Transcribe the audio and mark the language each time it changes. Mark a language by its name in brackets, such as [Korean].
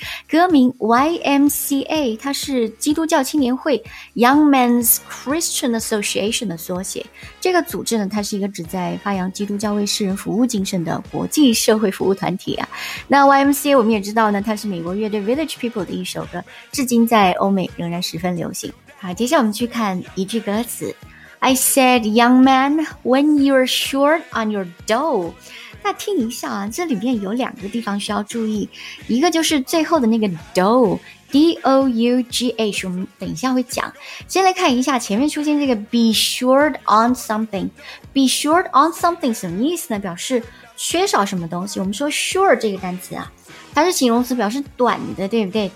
[Chinese] 歌名 YMCA， 它是基督教青年会 [English] Young Men's Christian Association [Chinese] 的缩写。这个组织呢，它是一个旨在发扬基督教为世人服务精神的国际社会服务团体啊。那 YMCA 我们也知道呢，它是美国乐队 Village People 的一首歌，至今在欧美仍然十分流行。好，接下来我们去看一句歌词。 [English] I said, young man, when you're short on your dough. [Chinese] 那听一下啊，这里面有两个地方需要注意。一个就是最后的那个 dough, D-O-U-G-H, 我们等一下会讲。先来看一下前面出现这个 [English] be short on something。 be short on something [Chinese] 什么意思呢？表示缺少什么东西。我们说 short 这个单词啊，它是形容词，表示短的，对不对？